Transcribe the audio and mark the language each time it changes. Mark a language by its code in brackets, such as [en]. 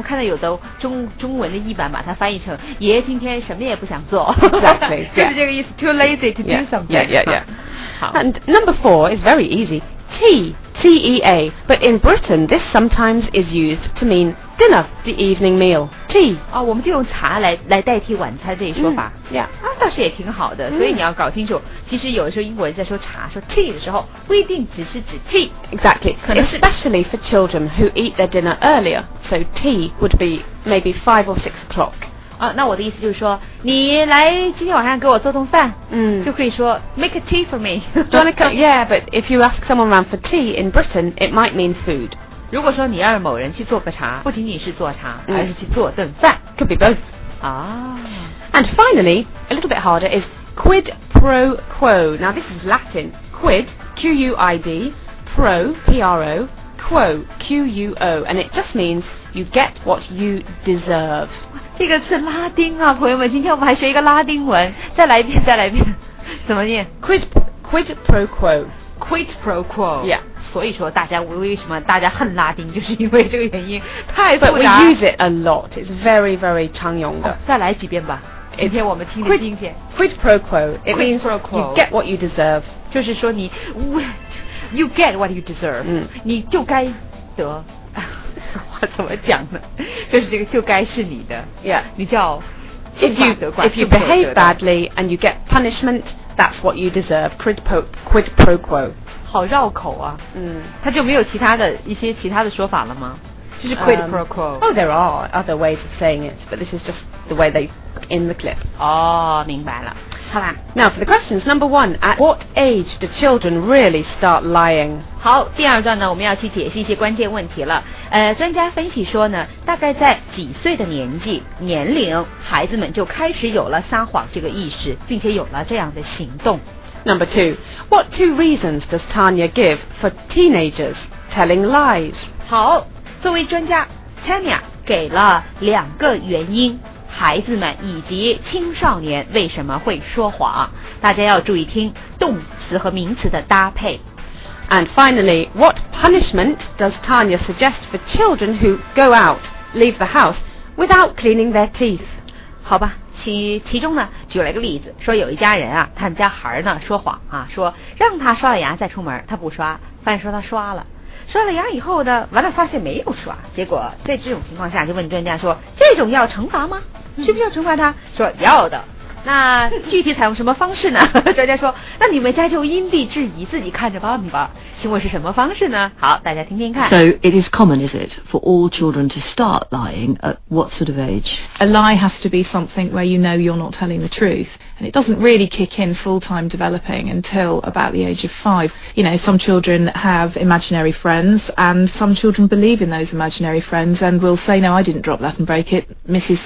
[zh] 我看到有的中文的译版把它翻译成“爷今天什么也不想做”，就是这个意思。 [en] Too lazy to do something. Yeah, yeah, yeah. yeah. [zh] 好 [en] And number four is very easy. Tea, but in Britain, this sometimes is used to mean dinner, the evening meal. Tea. [zh] 哦，我们就用茶来代替晚餐这一说法。 [en] Yeah. [zh] 啊，倒是也挺好的。所以你要搞清楚，其实有的时候英国人在说茶、说 tea 的时候，不一定只是指 tea. [en] Exactly. Especially for children who eat their dinner earlier, so tea would be maybe 5 or 6 o'clock. [zh] 啊，那我的意思就是说，你来今天晚上给我做顿饭，嗯，就可以说 [en] make a tea for me. Jonica, yeah, but if you ask someone around for tea in Britain, it might mean food. [zh] 如果说你要某人去做个茶，不仅仅是做茶，而是去做顿饭， [en] could be both. Ah. And finally, a little bit harder is quid pro quo. Now this is Latin. Quid, Q-U-I-D, pro, P-R-O, quo, Q-U-O, and it just means you get what you deserve. [zh] 这个是拉丁啊，朋友们，今天我们还学一个拉丁文。再来一遍，再来一遍，怎么念 [en] ？Quid pro quo. Quid pro quo. Yeah. [zh] 所以说，大家为什么大家恨拉丁，就是因为这个原因，太复杂。 [en] But we use it a lot. It's very, very [zh] 常用的。再来几遍吧。今天我们听的今天 [en] quid pro quo. It means you get what you deserve. [zh] 就是说你 [en] you get what you deserve.、 Mm. [zh] 你就该得。话怎么讲呢？就是这个就该是你的。 [en] Yeah. [zh] 你叫 [en] if you behave badly and you get punishment, that's what you deserve. Quid pro quo. [zh] 好绕口啊。嗯。他就没有其他的一些其他的说法了吗？就是 quid pro quo. [en] Oh, there are other ways of saying it, but this is just the way they in the clip. 哦，明白了。好啦。 Now for the questions. Number one, at what age do children really start lying? [zh] 好，第二段呢，我们要去解析一些关键问题了。专家分析说呢，大概在几岁的年龄，孩子们就开始有了撒谎这个意识，并且有了这样的行动。 [en] Number two, what two reasons does Tanya give for teenagers telling lies? [zh] 好，作为专家 ，Tanya 给了两个原因。孩子们以及青少年为什么会说谎？大家要注意听动词和名词的搭配。 [en] And finally, what punishment does Tanya suggest for children who go out, leave the house without cleaning their teeth? [zh] 好吧，其中呢，举了一个例子，说有一家人啊，他们家孩呢说谎啊，说让他刷了牙再出门，他不刷，反而说他刷了。刷了牙以后呢，完了发现没有刷，结果在这种情况下就问专家说，这种要惩罚吗？需不需要惩罚他？说要的。那具体采用什么方式呢？专家说，那你们家就因地制宜，自己看着办吧。请问是什么方式呢？好，大家听听看。 [en] So it is common, is it, for all children to start lying at what sort of age? A lie has to be something where you know you're not telling the truth. And it doesn't really kick in full-time developing until about the age of 5. You know, some children have imaginary friends, and some children believe in those imaginary friends and will say, no, I didn't drop that and break it, Mrs.